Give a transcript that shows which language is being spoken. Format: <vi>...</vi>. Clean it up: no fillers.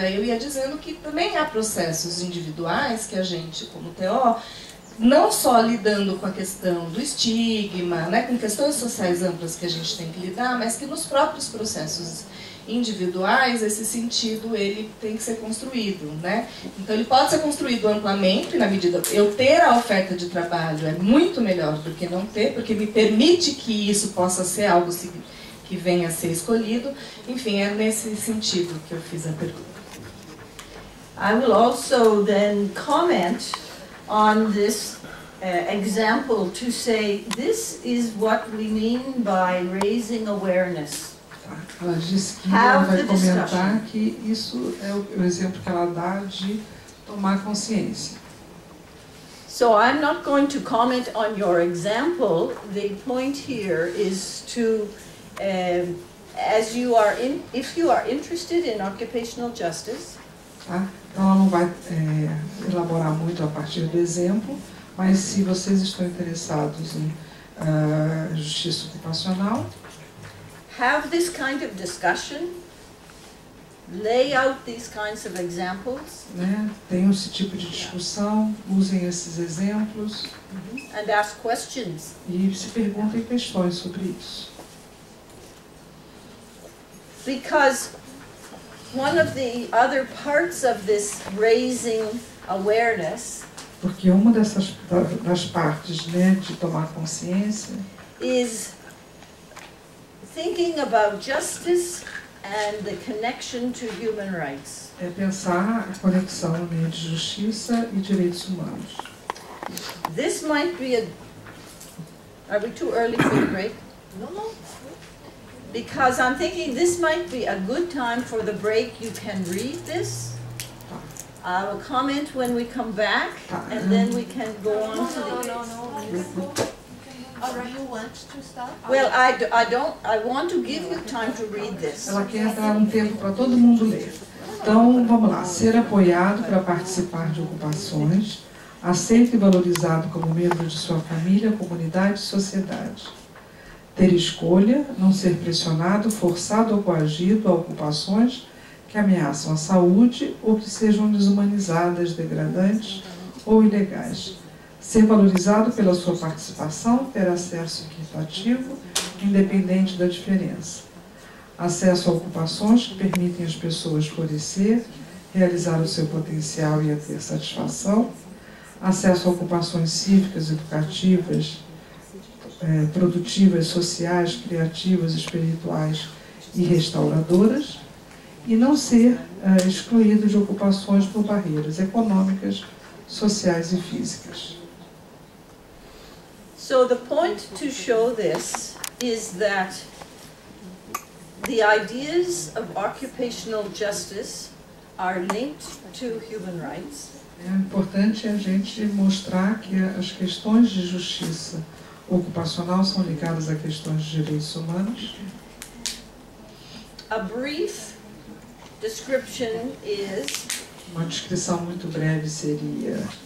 <pt>Aí eu ia dizendo que também há processos individuais que a gente, como TO, não só lidando com a questão do estigma, né, com questões sociais amplas que a gente tem que lidar, mas que nos próprios processos individuais, esse sentido ele tem que ser construído, né? Então, ele pode ser construído amplamente, na medida que eu ter a oferta de trabalho é muito melhor do que não ter, porque me permite que isso possa ser algo que venha a ser escolhido. Enfim, é nesse sentido que eu fiz a pergunta.</pt> <en>I will also then comment on this example to say this is what we mean by raising awareness.</en> <pt>Ela diz que ela vai comentar que isso é o exemplo que ela dá de tomar consciência.</pt> <en>So I'm not going to comment on your example. The point here is to if you are interested in occupational justice.</en> <pt>Então, ela não vai elaborar muito a partir do exemplo, mas se vocês estão interessados em justiça ocupacional,</pt> <en>have this kind of discussion, lay out these kinds of examples,</en> <pt>né? Tenham esse tipo de discussão, usem esses exemplos,</pt> <en>and ask questions.</en> <pt>E se perguntem questões sobre isso.</pt> <en>Because one of the other parts of this raising awareness,</en> <pt>porque uma dessas das partes, né, de tomar consciência,</pt> <en>is thinking about justice and the connection to human rights.</en> <pt>É pensar a conexão entre justiça e direitos humanos.</pt> <en>This might be a. Are we too early for the break? No. Because I'm thinking this might be a good time for the break. You can read this. I will comment when we come back, and then we can go on to the. No. Do you want to stop? Well, I don't. I want to give you time to read this.</en> <pt>Ela quer dar tempo para todo mundo ler. Então, vamos lá. Ser apoiado para participar de ocupações, aceito e valorizado como membro de sua família, comunidade e sociedade. ter escolha, não ser pressionado, forçado ou coagido a ocupações que ameaçam a saúde ou que sejam desumanizadas, degradantes ou ilegais. Ser valorizado pela sua participação, ter acesso equitativo, independente da diferença. Acesso a ocupações que permitem às pessoas florescer, realizar o seu potencial e a ter satisfação. Acesso a ocupações cívicas, educativas, produtivas, sociais, criativas, espirituais e restauradoras. E não ser excluído de ocupações por barreiras econômicas, sociais e físicas.</pt> <en>So the point to show this is that the ideas of occupational justice are linked to human rights.</en> <pt>É importante a gente mostrar que as questões de justiça ocupacional são ligadas a questões de direitos humanos.</pt> <en>A brief description is.</en> <pt>Uma descrição muito breve seria.</pt>